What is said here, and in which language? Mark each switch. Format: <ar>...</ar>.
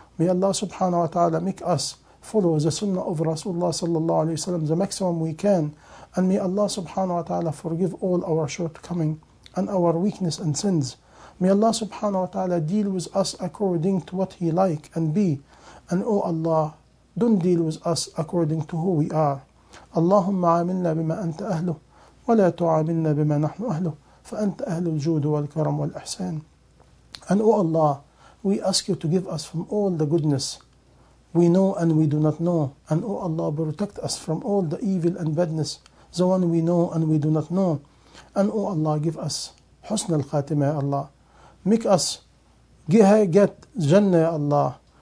<en>May Allah subhanahu wa ta'ala make us follow the sunnah of Rasulullah sallallahu alayhi wa sallam the maximum we can. And may Allah subhanahu wa ta'ala forgive all our shortcoming and our weakness and sins. May Allah subhanahu wa ta'ala deal with us according to what He like and be. And O Allah, don't deal with us according to who we are.</en> <ar>اللهم عاملنا بما أنت أهله ولا تعاملنا بما نحن أهله فأنت أهل الجود والكرم والإحسان.</ar> <en>And O Allah, we ask You to give us from all the goodness we know and we do not know. And O Allah, protect us from all the evil and badness, the one we know and we do not know. And O Allah, give us</en> <ar>حسن الخاتمة يا الله.</ar> <en>Make us get Jannah, ya Allah.</en>